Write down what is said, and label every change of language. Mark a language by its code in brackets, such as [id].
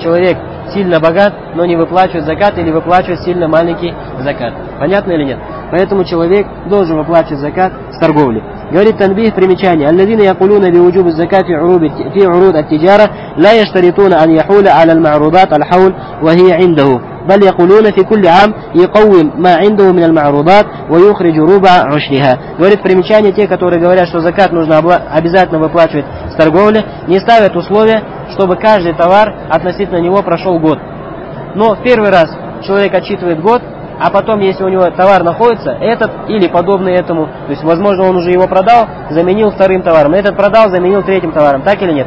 [ru] Человек сильно богат, но не выплачивает закат или выплачивает сильно маленький закат. Понятно или нет? Поэтому человек должен выплачивать закат с торговли. Говорит Танбих, примечание. [ar] «Аллазина якулуна би уджубу закати фи уруд ат-тиджара ла яштаритуна ан яхуля аля аль-маарудат аль-хаул ва хия индаху». بل يقولون في كل عام يقوم ما عنده من المعروضات ويخرج ربع عشرها. [ru] Говорит, примечание, те, которые говорят, что закат нужно обязательно выплачивать с торговли, не ставят условия, чтобы каждый товар относительно него прошел год. Но в первый раз человек отчитывает год, а потом, если у него товар находится, этот или подобный этому, то есть, возможно, он уже его продал, заменил вторым товаром, этот продал, заменил третьим товаром, так или нет?